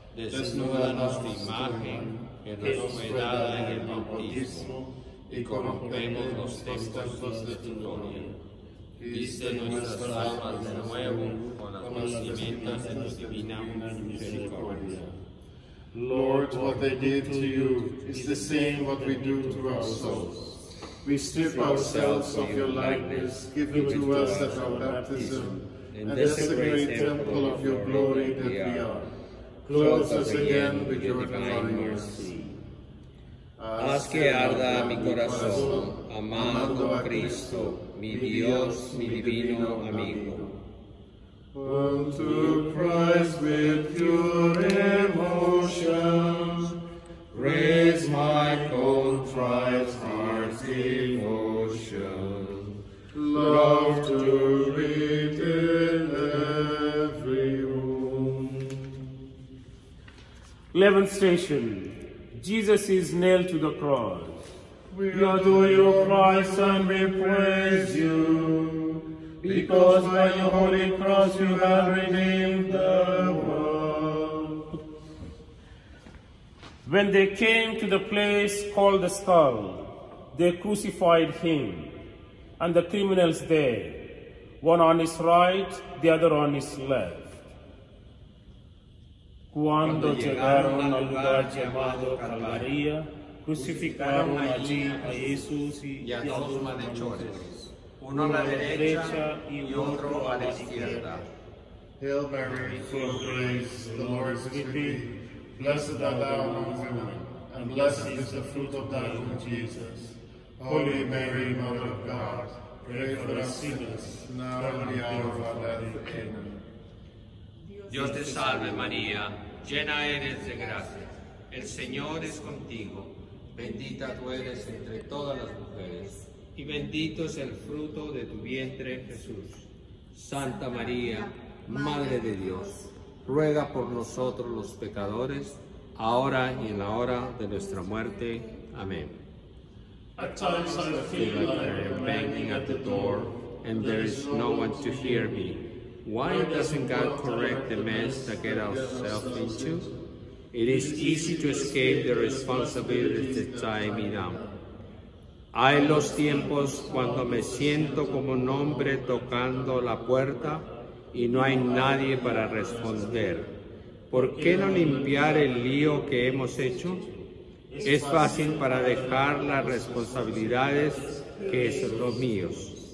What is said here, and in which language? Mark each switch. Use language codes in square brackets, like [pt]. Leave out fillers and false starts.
[es] Desnúdanos tu imagen que nos fue dada en el bautismo y corrompemos los textos de tu gloria. Viste nuestras almas de nuevo con las vestimentas de tu divina misericordia. [en] Lord, what they did to you is the same what we do to our souls. We strip ourselves of your likeness given to us at our baptism, and this great temple of your glory that we are. Clothe us again with your divine mercy. [es] Haz que arda mi corazón, amado Cristo, mi Dios, mi divino amigo. [en] Unto Christ with pure emotions, raise my contrite heart's devotion. Love to read in every wound. 11th station. Jesus is nailed to the cross. We adore you, Christ, and we praise you, because by your holy cross you have redeemed the world. When they came to the place called the skull, they crucified him and the criminals there, one on his right, the other on his left. [es] Cuando llegaron al lugar llamado Calvaria, crucificaron allí a Jesús y a dos malhechores, uno a la derecha y otro a la izquierda. [en] Hail Mary, full of grace, the Lord is with thee. Blessed art thou among women, and blessed is the fruit of thy womb, Jesus. Holy Mary, Mother of God, pray for us sinners, now and at the hour of our death. Amen. [es] Dios te salve, María, llena eres de gracia. El Señor es contigo. Bendita tú eres entre todas las mujeres, y bendito es el fruto de tu vientre, Jesús. Santa María, Madre de Dios, ruega por nosotros los pecadores, ahora y en la hora de nuestra muerte. Amén. [en] At times I feel like I'm banging at the door, and there is no one to hear me. Why doesn't God correct the mess that get ourselves into? It is easy to escape the responsibilities that tie me down. [es] Hay los tiempos cuando me siento como un hombre tocando la puerta y no hay nadie para responder. ¿Por qué no limpiar el lío que hemos hecho? Es fácil para dejar las responsabilidades que son los míos.